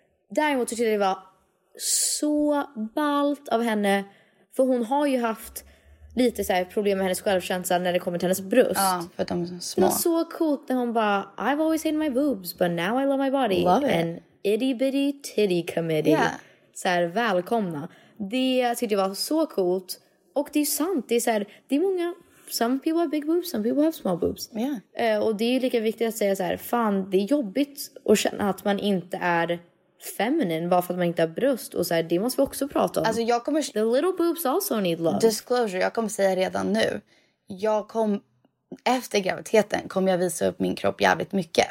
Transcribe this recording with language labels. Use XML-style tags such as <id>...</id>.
<sv>Däremot tyckte jag det var så ballt av henne, för hon har ju haft lite så här problem med hennes självkänsla när det kommer till hennes bröst. Ja, för att de är så små. Det var så coolt när hon bara,</sv> <en>I've always hated my boobs, but now I love my body. Love it. Itty bitty titty committee. Yeah.</en> <sv>Så här, välkomna. Det tyckte jag var så coolt. Och det är ju sant, det är så här, det är många...</sv> <en>Some people have big boobs, some people have small boobs. Yeah.</en> <sv>Och det är ju lika viktigt att säga så här, fan, det är jobbigt att känna att man inte är feminine bara för att man inte har bröst. Och så här, det måste vi också prata om. Alltså jag kommer...</sv> <en>The little boobs also need love.</en> <sv>Disclosure, jag kommer säga redan nu. Jag kom... Efter graviditeten kommer jag visa upp min kropp jävligt mycket.</sv>